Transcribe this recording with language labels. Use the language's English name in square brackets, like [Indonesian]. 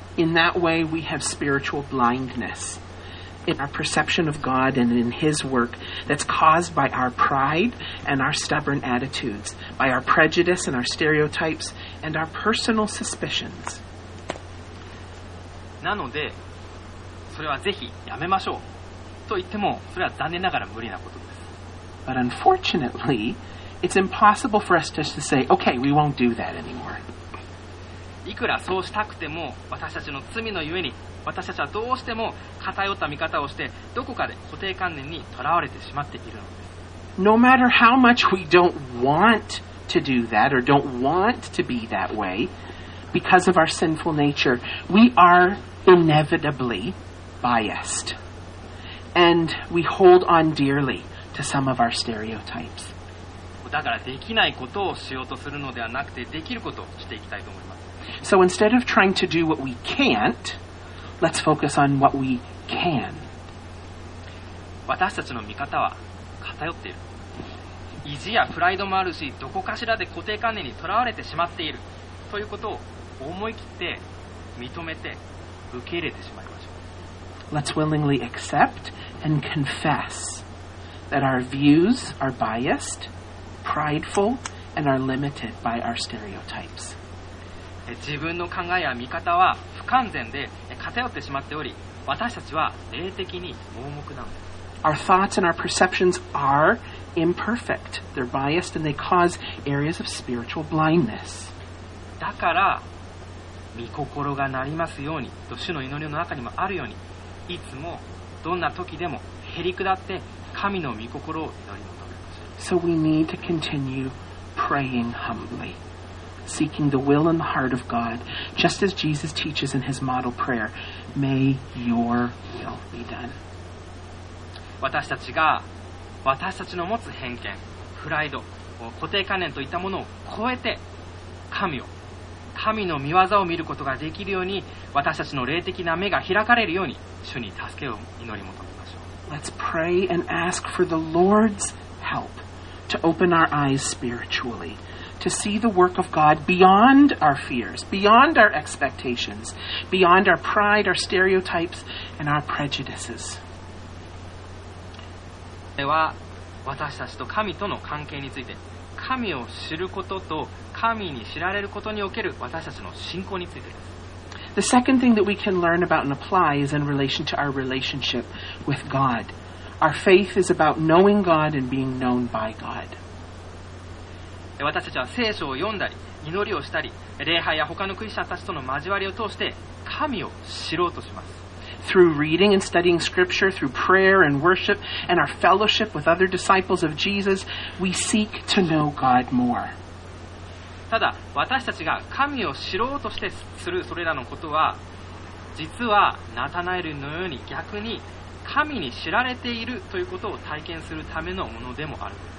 [English] In that way, we have spiritual blindness in our perception of God and in His work that's caused by our pride and our stubborn attitudes, by our prejudice and our stereotypes and our personal suspicions. [Japanese] なので、それはぜひやめましょうと言っても、それは残念ながら無理なことです。 [English] But unfortunately, it's impossible for us just to say, okay, we won't do that anymore. [Japanese] いくらそうしたくても、私たちの罪のゆえに、私たちはどうしても偏った見方をして、どこかで固定観念にとらわれてしまっているのです。 [English] No matter how much we don't want to do that or don't want to be that way, because of our sinful nature, we are inevitably biased. And we hold on dearly to some of our stereotypes. [Japanese] だからできないことをしようとするのではなくて、できることをしていきたいと思います。 [English] So instead of trying to do what we can't, let's focus on what we can. [Japanese] 私たちの見方は偏っている。意地やプライドもあるし、どこかしらで固定観念にとらわれてしまっているということを思い切って認めて受け入れてしまいましょう。 [English] Let's willingly accept and confess that our views are biased, prideful, and are limited by our stereotypes. [Japanese] 自分の考えや見方は不完全で偏ってしまっており、私たちは霊的に盲目なんです。 [English] Our thoughts and our perceptions are imperfect. They're biased and they cause areas of spiritual blindness. [Japanese] だから、御心がなりますようにと主の祈りの中にもあるように、いつもどんな時でもへり下って神の御心を祈り求めます。 [English] So we need to continue praying humbly. Seeking the will and the heart of God, just as Jesus teaches in his model prayer, May your will be done. [Japanese] 私たちが私たちの持つ偏見、プライド、固定観念といったものを超えて神を、神の御業を見ることができるように、私たちの霊的な目が開かれるように、主に助けを祈り求めましょう。 [English] Let's pray and ask for the Lord's help to open our eyes spiritually. To see the work of God beyond our fears, beyond our expectations, beyond our pride, our stereotypes, and our prejudices. [Japanese] では、私たちと神との関係について、神を知ることと神に知られることにおける私たちの信仰についてです。 [English] The second thing that we can learn about and apply is in relation to our relationship with God. Our faith is about knowing God and being known by God. [Japanese] 私たちは聖書を読んだり、祈りをしたり、礼拝や他のクリスチャンたちとの交わりを通して神を知ろうとします。 [English] Through reading and studying scripture, through prayer and worship, and our fellowship with other disciples of Jesus, we seek to know God more. [Japanese] ただ、私たちが神を知ろうとしてするそれらのことは、実はナタナエルのように逆に神に知られているということを体験するためのものでもある。